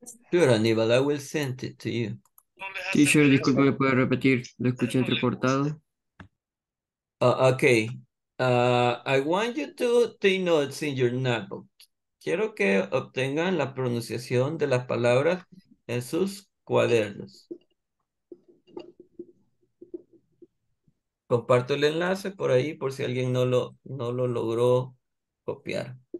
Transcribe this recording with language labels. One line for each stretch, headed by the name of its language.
English: Sure, Aníbal, I will send it to you.
Spanish: Teacher, disculpe que pueda repetir, lo escuché entreportado.
English: Okay. I want you to take notes in your notebook.
Spanish: Quiero que obtengan la pronunciación de las palabras en sus cuadernos. Comparto el enlace por ahí por si alguien no lo logró copiar.